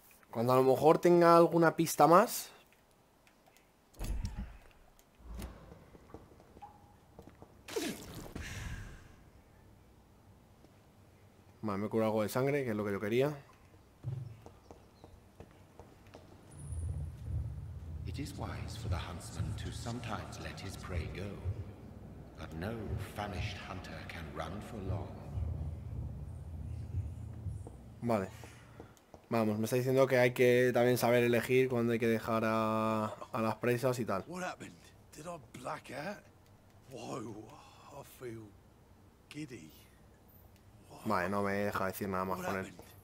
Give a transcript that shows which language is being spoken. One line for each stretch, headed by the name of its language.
Spanish: Cuando a lo mejor tenga alguna pista más... Vale, me curo algo de sangre, que es lo que yo quería.
English: It is wise for the huntsman to sometimes let his prey go, but no famished hunter can run for long.
Spanish: Vale, vamos. Me está diciendo que hay que también saber elegir cuando hay que dejar a las presas y tal.
English: What happened? Did I black out? Whoa, I feel giddy.
Spanish: Vale, no me deja decir nada más con él.